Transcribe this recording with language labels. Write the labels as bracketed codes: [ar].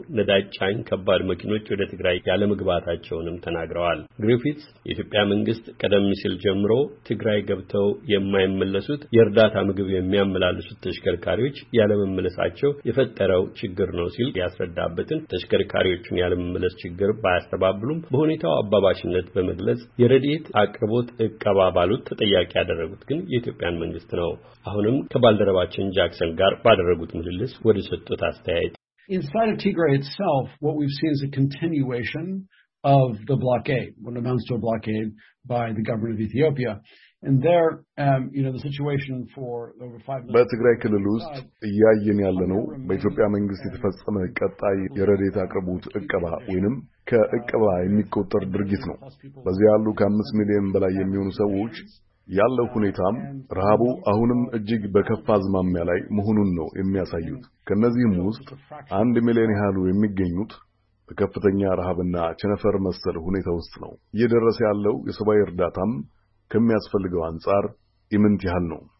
[am] ነዳጅ ጫኝ ከባድ መኪኖች ወደ ትግራይ ያለመግባታቸውንም ተናግረዋል። ግሪፊትስ የኢትዮጵያ መንግስት ቀደም ሲል ጀምሮ ትግራይ ገብተው የማይመለሱት የእርዳታ ምግብ የሚያመላልሱት ተሽከርካሪዎች ያለመመለሳቸው የፈጠረው ችግር ነው ሲል ያስረዳበትን ተሽከርካሪዎቹን ያለመመለስ ችግር ባያስተባብሉም በሁኔታው አባባሽነት በመግለጽ የረድኤት አቅርቦት እቀባ ባሉት ተጠያቂ ያደረጉት ግን የኢትዮጵያን መንግስት ነው። አሁንም ከባልደረባችን ጃክሰን ጋር ባደረጉት ምልልስ ወደ ሰጡት አስተያየት [en] Inside of Tigray itself, what we've seen is a continuation of the blockade, what amounts to a blockade by the government of Ethiopia. And there, the situation for over 5 months... [am] በትግራይ ክልል ውስጥ እያየን ያለነው በኢትዮጵያ መንግስት የተፈጸመ ቀጣይ የረድኤት አቅርቦት እቀባ ወይንም ከእቀባ የሚቆጠር ድርጊት ነው። በዚያ ያሉ ከ5 ሚሊዮን በላይ የሚሆኑ ሰዎች ያለው ሁኔታም ረሃቡ አሁንም እጅግ በከፋ ዝማሚያ ላይ መሆኑን ነው የሚያሳዩት። ከነዚህም ውስጥ 1 ሚሊዮን ያህል የሚገኙት በከፍተኛ ረሃብና ቸነፈር መሰል ሁኔታ ውስጥ ነው። እየደረሰ ያለው የሰብአዊ እርዳታም ከሚያስፈልገው አንጻር ኢምንት ያህል ነው።